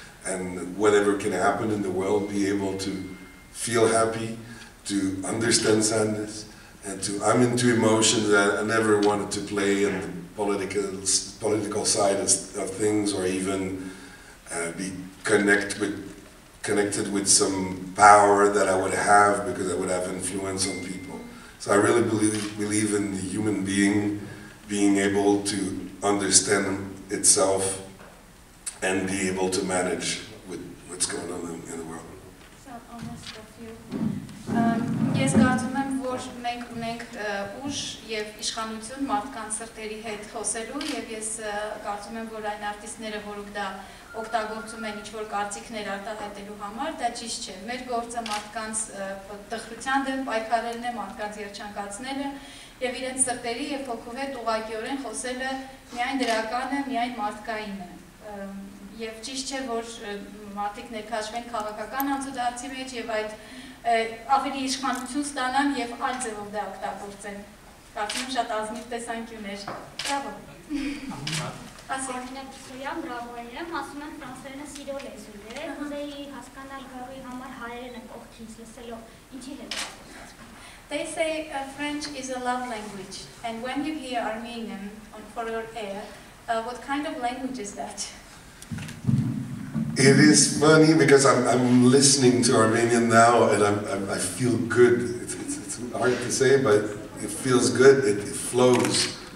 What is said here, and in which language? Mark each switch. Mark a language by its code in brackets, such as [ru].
[en] and whatever can happen in the world, be able to feel happy, to understand sadness, and to, I'm into emotions that I never wanted to play in the political side of things, or even connected with some power that I would have because I would have influence on people. So I really believe in the human being able to understand itself and be able to manage with what's going on in the world. [hy] Ես կարծում եմ, որ մենք ունենք ուժ եւ իշխանություն մարդկանց սրտերի հետ խոսելու, եւ ես կարծում եմ, որ այն արտիստները, որոնք դա օգտագործում են ինչ-որ կարծիքներ արտահայտելու համար, դա ճիշտ չէ։ Մեր գործը մարդկանց տխրության դեմ պայքարելն է, մարդկանց երջանկացնելը եւ իրենց սրտերի եւ հոգու հետ ուղղակիորեն խոսելը միայն դրականը, միայն մարդկայինը։ Եվ ճիշտ չէ, որ մարդիկ ներքաշվեն քաղաքական անցուդարձի մեջ եւ այդ ավելի իշխանություն ստանան եւ այլ ձեւով դա օգտագործեն։ Կարծում եմ շատ ազնիվ տեսանկյուն ուներ։ Բրավո։ Ասենք նաեւ բրավո եմ, ասում եմ ֆրանսերենը սիրո լեզուն է, ուզեի հասկանալ գարուի համար հայերենը կողքից լսելով ինչի հետ։ [en] They say French is a love language, and when you hear Armenian on foreign air, what kind of language is that? It is funny because I'm listening to Armenian now and I feel good. It's hard to say, but it feels good. It flows.